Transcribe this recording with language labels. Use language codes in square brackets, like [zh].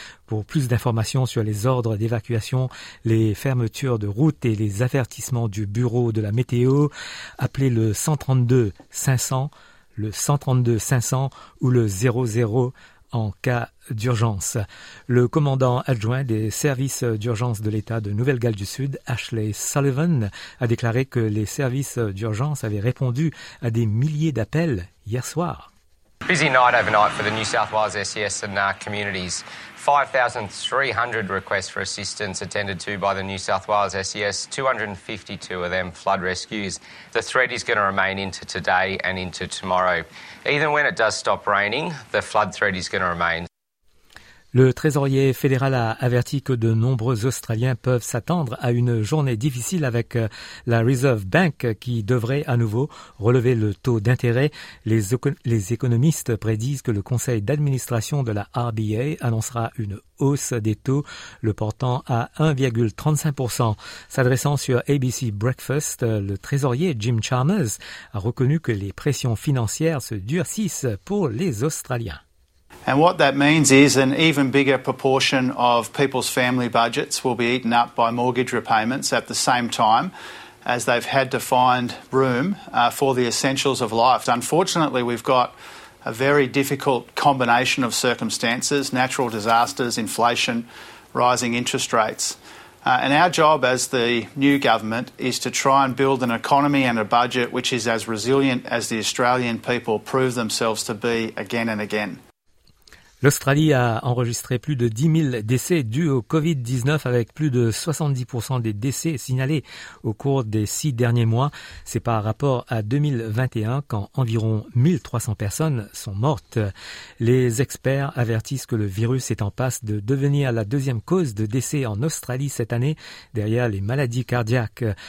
[fr] Pour plus d'informations sur les ordres d'évacuation, les fermetures de routes et les avertissements du bureau de la météo, appelez le 132-500, le 132-500 ou le 00 en cas d'urgence. Le commandant adjoint des services d'urgence de l'État de Nouvelle-Galles du Sud, Ashley Sullivan, a déclaré que les services d'urgence avaient répondu à des milliers d'appels hier soir. [en] Busy night overnight for the New South Wales SES and NARC communities. 5,300 requests for assistance attended to by the New South Wales SES, 252 of them flood rescues. The threat is going to remain into today and into tomorrow. Even when it does stop raining, the flood threat is going to remain. [fr] Le trésorier fédéral a averti que de nombreux Australiens peuvent s'attendre à une journée difficile avec la Reserve Bank qui devrait à nouveau relever le taux d'intérêt. Les économistes prédisent que le conseil d'administration de la RBA annoncera une hausse des taux, le portant à 1,35%. S'adressant sur ABC Breakfast, le trésorier Jim Chalmers a reconnu que les pressions financières se durcissent pour les Australiens. [en] And what that means is an even bigger proportion of people's family budgets will be eaten up by mortgage repayments at the same time as they've had to find room for the essentials of life. Unfortunately, we've got a very difficult combination of circumstances, natural disasters, inflation, rising interest rates. And our job as the new government is to try and build an economy and a budget which is as resilient as the Australian people prove themselves to be again and again. [fr] L'Australie a enregistré plus de 10 000 décès dus au Covid-19 avec plus de 70% des décès signalés au cours des 6 derniers mois. C'est par rapport à 2021 quand environ 1300 personnes sont mortes. Les experts avertissent que le virus est en passe de devenir la deuxième cause de décès en Australie cette année derrière les maladies cardiaques.